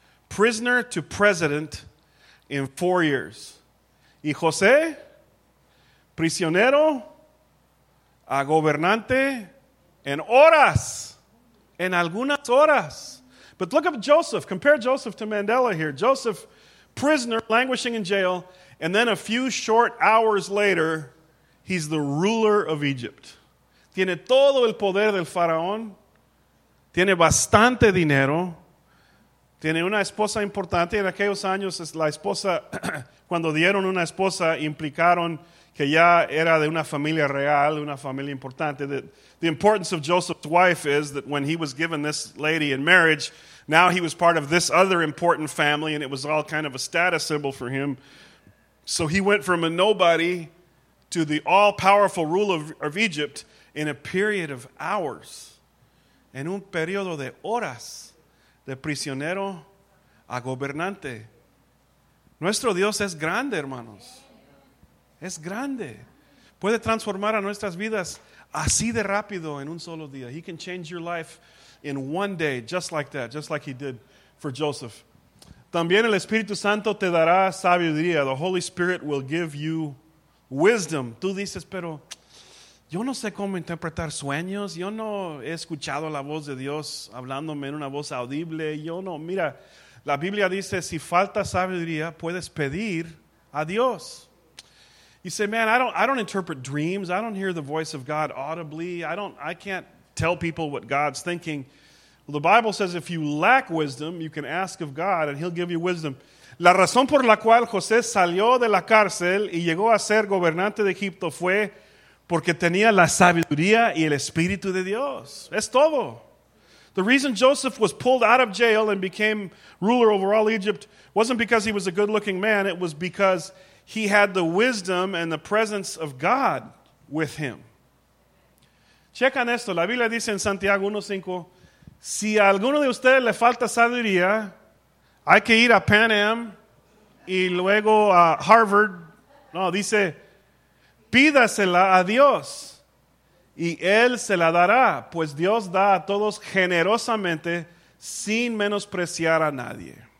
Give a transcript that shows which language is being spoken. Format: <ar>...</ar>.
<en>Prisoner to president in 4 years.</en> <es>Y José, prisionero a gobernante en horas, en algunas horas.</es> <en>But look at Joseph. Compare Joseph to Mandela here. Joseph, prisoner, languishing in jail, and then a few short hours later, he's the ruler of Egypt.</en> <es>Tiene todo el poder del faraón. Tiene bastante dinero. Tiene una esposa importante. En aquellos años, la esposa, cuando dieron una esposa, implicaron que ya era de una familia real, una familia importante.</es> <en>The importance of Joseph's wife is that when he was given this lady in marriage, now he was part of this other important family, and it was all kind of a status symbol for him. So he went from a nobody to the all-powerful ruler of Egypt in a period of hours.</en> <es>En un periodo de horas, de prisionero a gobernante. Nuestro Dios es grande, hermanos. Es grande. Puede transformar a nuestras vidas así de rápido en un solo día.</es> <en>He can change your life in one day, just like that, just like he did for Joseph.</en> <es>También el Espíritu Santo te dará sabiduría.</es> <en>The Holy Spirit will give you wisdom.</en> <es>Tú dices, pero yo no sé cómo interpretar sueños. Yo no he escuchado la voz de Dios hablándome en una voz audible. Yo no. Mira, la Biblia dice, si falta sabiduría, puedes pedir a Dios.</es> <en>You say, man, I don't interpret dreams. I don't hear the voice of God audibly. I can't tell people what God's thinking. Well, the Bible says if you lack wisdom, you can ask of God and he'll give you wisdom.</en> <es>La razón por la cual José salió de la cárcel y llegó a ser gobernante de Egipto fue porque tenía la sabiduría y el Espíritu de Dios. Es todo.</es> <en>The reason Joseph was pulled out of jail and became ruler over all Egypt wasn't because he was a good-looking man. It was because he had the wisdom and the presence of God with him.</en> <es>Checan esto. La Biblia dice en Santiago 1:5, si a alguno de ustedes le falta sabiduría, hay que ir a Pan Am y luego a Harvard. No, dice, pídasela a Dios y Él se la dará, pues Dios da a todos generosamente sin menospreciar a nadie.</es>